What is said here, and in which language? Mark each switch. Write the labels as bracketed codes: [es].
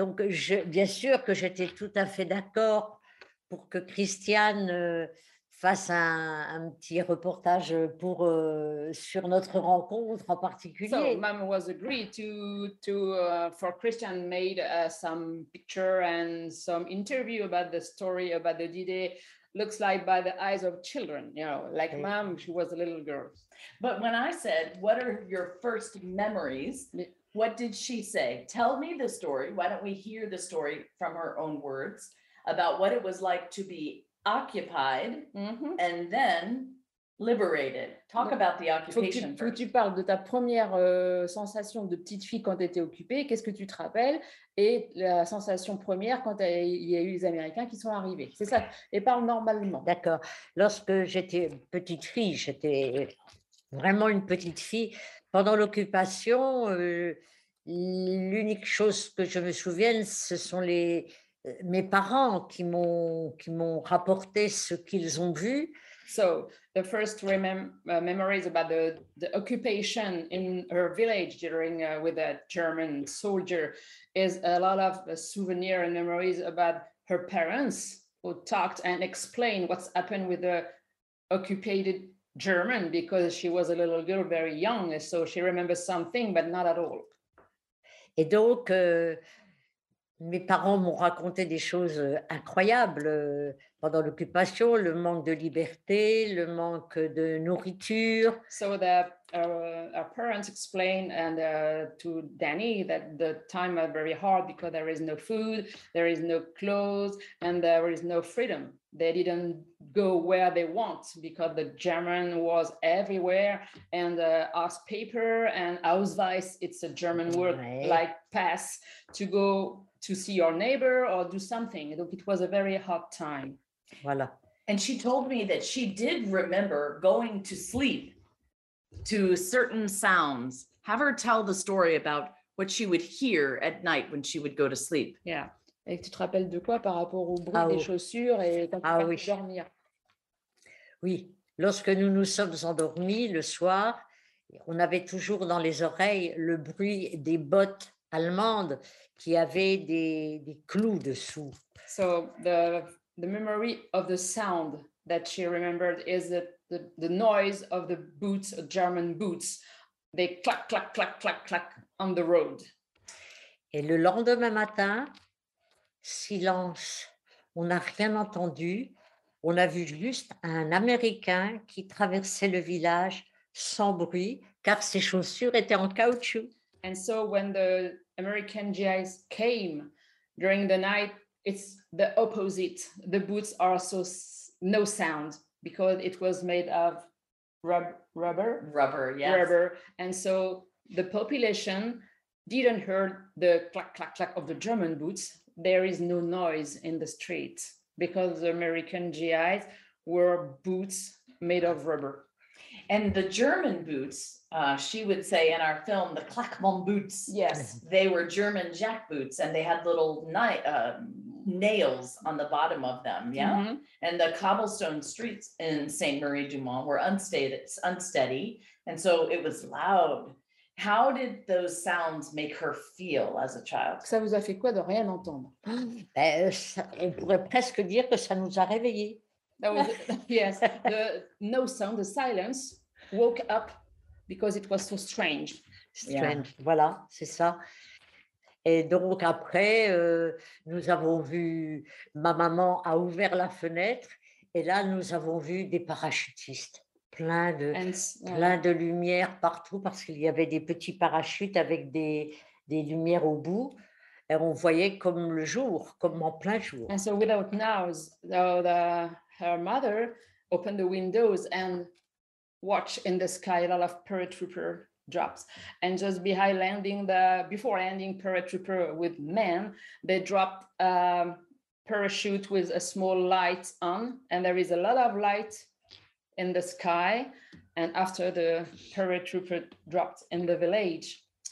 [fr] Donc, je, bien sûr que j'étais tout à fait d'accord pour que Christiane fasse un petit reportage pour sur notre rencontre en particulier. [en] So, mom was agreed to for Christian made some picture and some interview about the story about the D-Day. Looks like by the eyes of children, you know, like mom, she was a little girl. But when I said, what are your first memories? What did she say? Tell me the story. Why don't we hear the story from her own words about what it was like to be occupied mm-hmm. and then liberated. Talk Donc, about the occupation first. [fr] Tu parles de ta première sensation de petite fille quand tu étais occupée, qu'est-ce que tu te rappelles? Et la sensation première quand il y a eu les Américains qui sont arrivés. C'est ça. Et parle normalement. D'accord. Lorsque j'étais petite fille, j'étais vraiment une petite fille. Pendant l'occupation, l'unique chose que je me souviens, ce sont mes parents qui m'ont rapporté ce qu'ils ont vu. [en] So, the first memories about the occupation in her village during with a German soldier is a lot of souvenir and memories about her parents who talked and explained what's happened with the occupied German because she was a little girl, very young, so she remembers something, but not at all. [fr] Et donc, mes parents m'ont raconté des choses incroyables pendant l'occupation, le manque de liberté, le manque de nourriture. [en] So that our parents explained and to Danny that the time are very hard because there is no food, there is no clothes, and there is no freedom. They didn't go where they want because the German was everywhere and ask paper and Ausweis, it's a German word, ouais. Like pass, to go to see your neighbor or do something. Donc, it was a very hard time. [fr] Voilà. [en] And she told me that she did remember going to sleep to certain sounds. Have her tell the story about what she would hear at night when she would go to sleep. Yeah. [fr] Et tu te rappelles de quoi par rapport au bruit des chaussures et quand tu vas dormir? Oui, lorsque nous nous sommes endormis le soir, on avait toujours dans les oreilles le bruit des bottes allemandes qui avaient des clous dessous. [en] So the memory of the sound that she remembered is that the noise of the boots, German boots, they clack clack clack clack clack on the road. [fr] Et le lendemain matin, silence, on n'a rien entendu, on a vu juste un Américain qui traversait le village sans bruit, car ses chaussures étaient en caoutchouc. [en] And so when the American GIs came during the night, it's the opposite. The boots are so no sound because it was made of rubber. Rubber, yes. Rubber. And so the population didn't hear the clack, clack, clack of the German boots. There is no noise in the streets because the American GIs wore boots made of rubber. And the German boots, she would say in our film, the Klackmann boots. Yes. They were German jack boots and they had little nails on the bottom of them. Yeah. Mm-hmm. And the cobblestone streets in Saint-Marie-du-Mont were unsteady. And so it was loud. How did those sounds make her feel as a child? [fr] Ça vous a fait quoi de rien entendre? On pourrait presque dire que ça nous a réveillés. [en] Yes, the no sound, the silence woke up because it was so strange. Strange, yeah. [fr] Voilà, c'est ça. Et donc après, nous avons vu, ma maman a ouvert la fenêtre et là, nous avons vu des parachutistes. Plein de lumière partout parce qu'il y avait des petits parachutes avec des lumières au bout et on voyait comme le jour, comme en plein jour. [en] And so without knows, her mother opened the windows and watched in the sky a lot of paratrooper drops. And just behind landing before landing paratrooper with men, they dropped a parachute with a small light on and there is a lot of light in the sky, and after the paratrooper dropped in the village.